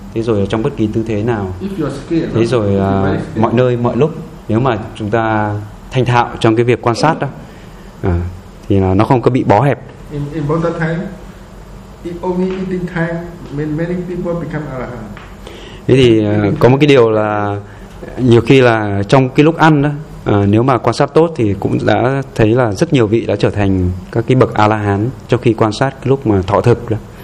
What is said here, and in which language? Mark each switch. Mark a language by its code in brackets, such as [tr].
[vi] Thế rồi trong bất kỳ tư thế nào. Thế rồi mọi nơi, mọi lúc. Nếu mà chúng ta thành thạo trong cái việc quan sát đó thì nó không có bị bó hẹp. [en] In Buddha time, only eating time, many people become arahant. [vi] Thế thì có một cái điều là nhiều khi là trong cái lúc ăn đó, nếu mà quan sát tốt thì cũng đã thấy là rất nhiều vị đã trở thành các cái bậc A-la-hán trong khi quan sát cái lúc mà thọ thực đó.